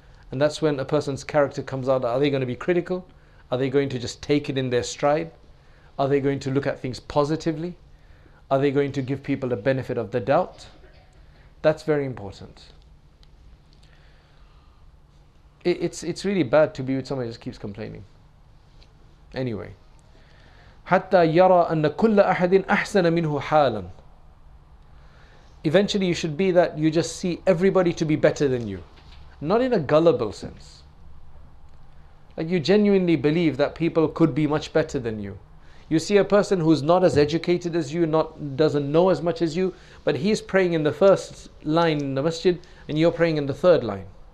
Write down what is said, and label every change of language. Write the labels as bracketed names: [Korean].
[English] And that's when a person's character comes out. Are they going to be critical? Are they going to just take it in their stride? Are they going to look at things positively? Are they going to give people the benefit of the doubt? That's very important. It's really bad to be with somebody who just keeps complaining. Anyway. [Arabic] حَتَّى يَرَى أَنَّ كُلَّ أَحَدٍ أَحْسَنَ مِنْهُ حَالًا. [English] Eventually you should be that you just see everybody to be better than you. Not in a gullible sense. Like you genuinely believe that people could be much better than you. You see a person who's not as educated as you, not doesn't know as much as you, but he's praying in the first line in the masjid and you're praying in the third line.